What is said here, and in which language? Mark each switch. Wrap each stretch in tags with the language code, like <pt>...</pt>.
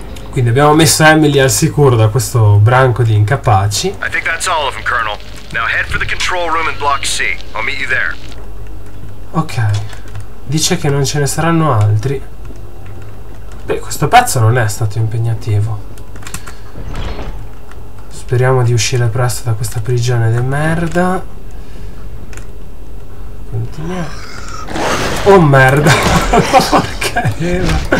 <it>Quindi abbiamo messo Emily al sicuro da questo branco di incapaci.</it> <en>I think that's all of them, Colonel. Now head for the control room in Block C. I'll meet you there. Ok.</en> <it>Dice che non ce ne saranno altri. Beh, questo pezzo non è stato impegnativo. Speriamo di uscire presto da questa prigione di merda. Continuiamo. Oh merda! Porca Eva!</it>